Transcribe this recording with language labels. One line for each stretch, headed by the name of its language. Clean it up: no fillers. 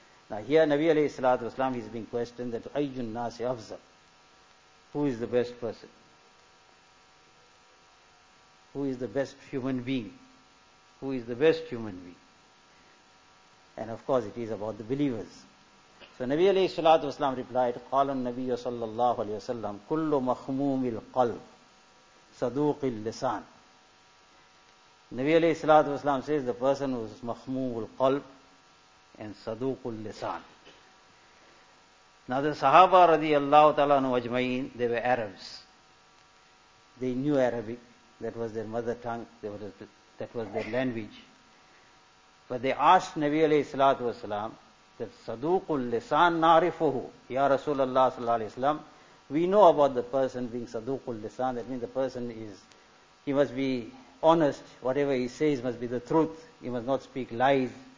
English: Now here Nabi alayhi salatu wasalam is being questioned that ayyun nasi afzal, who is the best person, who is the best human being, who is the best human being. And of course it is about the believers. So Nabi alayhi salatu wasalam replied,
Arabic: قال النبي صلى الله عليه وسلم كل مخموم القلب صدوق اللسان.
English: Nabi alayhi salatu wasalam says the person who is
Arabic: مخموم القلب
English: and
Arabic: صدوق اللسان.
English: Now the Sahaba radiallahu ta'ala anhu ajma'in, they were Arabs. They knew Arabic. That was their mother tongue. That was their language. But they asked Nabi alayhi salatu wasalam, that saduqul lisan narifuhu, ya Rasulullah sallallahu alayhi wasallam, we know about the person being saduqul lisan, that means the person is, he must be honest, whatever he says must be the truth, he must not speak lies.